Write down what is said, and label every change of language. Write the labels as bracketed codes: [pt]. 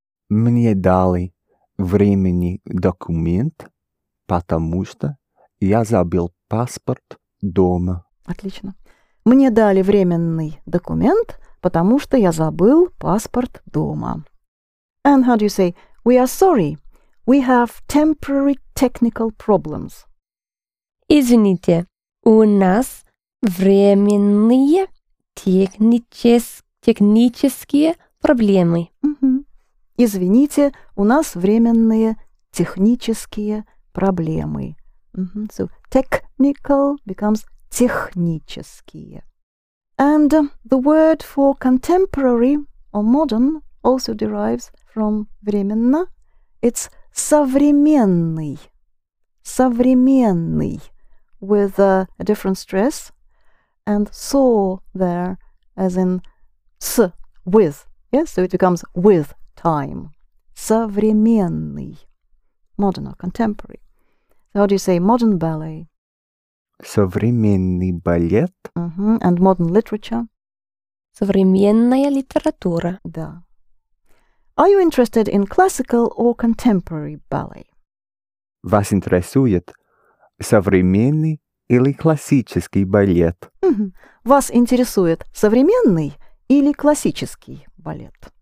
[ru] Мне дали временный документ, потому что я забыл паспорт дома. Отлично. Мне дали временный документ, потому что я забыл паспорт дома. [en] And how do you say, we are sorry, we have temporary technical problems. [ru] Извините. У нас временные технические проблемы. Mm-hmm. Извините, у нас временные технические проблемы. [en] Mm-hmm. So, technical becomes технические. And the word for contemporary or modern also derives from временно. It's современный. Современный. With a different stress, and so there, as in с, with. Yes, so it becomes with time. Современный. Modern or contemporary. So how do you say modern ballet? [ru] Современный балет. [en] Mm-hmm. And modern literature? [ru] Современная литература. Да. [en] Are you interested in classical or contemporary ballet? [ru] Вас интересует современный или классический балет? Вас интересует современный или классический балет?